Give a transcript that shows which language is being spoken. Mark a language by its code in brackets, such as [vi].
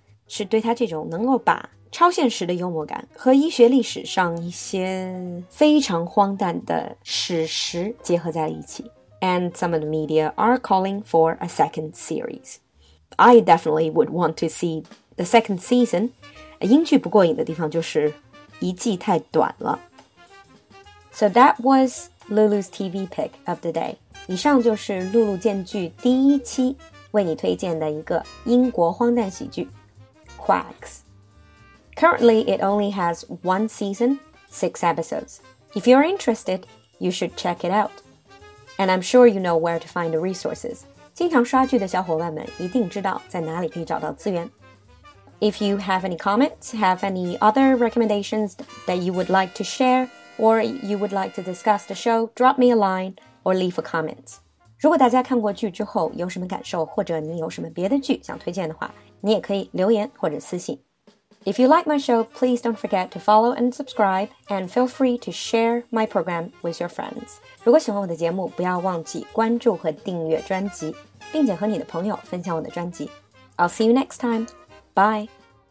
[zh] 是对它这种能够把超现实的幽默感和医学历史上一些非常荒诞的史实结合在一起。 [en] And some of the media are calling for a second series. I definitely would want to see the second season, [zh] 英剧不过瘾的地方就是一季太短了。 [en] So that was Lulu's TV pick of the day. [zh] 以上就是露露荐剧第一期为你推荐的一个英国荒诞喜剧 Quacks. [en] Currently, it only has one season, 6 episodes. If you're interested, you should check it out. And I'm sure you know where to find the resources. [zh] 经常刷剧的小伙伴们一定知道在哪里可以找到资源。 [en] If you have any comments, have any other recommendations that you would like to share, or you would like to discuss the show, drop me a line or leave a comment. [zh] 如果大家看过剧之后有什么感受，或者你有什么别的剧想推荐的话，你也可以留言或者私信。 [en] If you like my show, please don't forget to follow and subscribe, and feel free to share my program with your friends. [zh] 如果喜欢我的节目，不要忘记关注和订阅专辑，并且和你的朋友分享我的专辑。 [en] I'll see you next time. Bye.